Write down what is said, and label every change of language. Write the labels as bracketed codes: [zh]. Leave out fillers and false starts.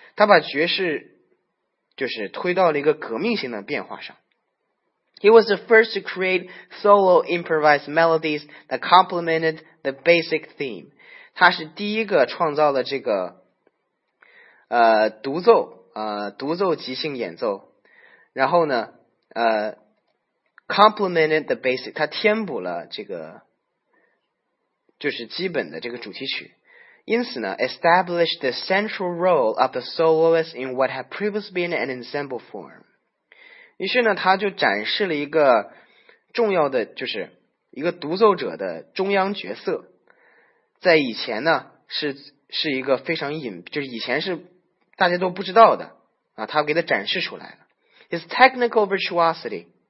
[zh] 他把爵士就是推到了一个革命性的变化上。 [en] He was the first to create solo improvised melodies that complemented the basic theme. [zh] 他是第一个创造了这个独奏即兴演奏。然后呢 [en] complemented the basic, [zh] 它填补了这个就是基本的这个主题曲。因此呢 [en] established the central role of the soloist in what had previously been an ensemble form. [zh] 于是呢它就展示了一个重要的就是一个独奏者的中央角色。在以前呢是一个非常隐就是以前是大家都不知道的啊它给它展示出来了。 [en] His technical virtuosity.